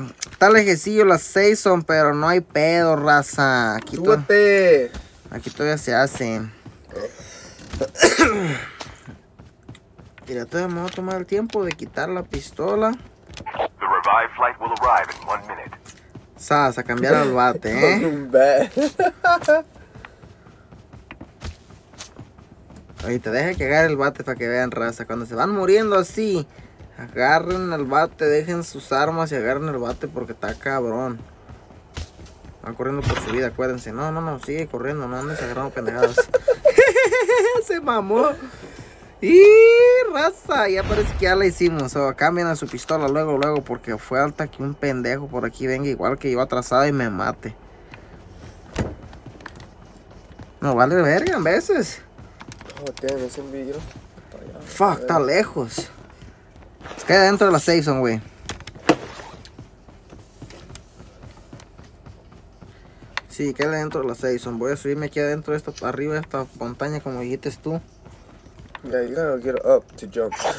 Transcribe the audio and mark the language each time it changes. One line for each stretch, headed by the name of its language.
Spanish: Está lejecillo las 6 son, pero no hay pedo, raza. Aquí, aquí todavía se hace. Mira, todavía me voy a tomar el tiempo de quitar la pistola.
English: The revived flight will arrive in 1 minute.
Spanish: Sas, a cambiar al bate, ¿eh? Oye, te deja que agarre el bate para que vean, raza. Cuando se van muriendo así... Agarren el bate, dejen sus armas y agarren el bate porque está cabrón. Van corriendo por su vida, acuérdense. No, no, no, sigue corriendo, no andes agarrando pendejadas. Se mamó. Y raza, ya parece que ya la hicimos. O cambien a su pistola luego, luego, porque fue alta que un pendejo por aquí venga igual que yo atrasado y me mate. No vale verga en veces.
English: Oh, damn,
Spanish: ese video. Fuck, está lejos. Se queda dentro de la safe zone, güey. Sí, queda dentro de la safe zone. Voy a subirme aquí adentro, esto, arriba de esta montaña, como dijiste tú.
English: Yeah, you gotta get up to jump.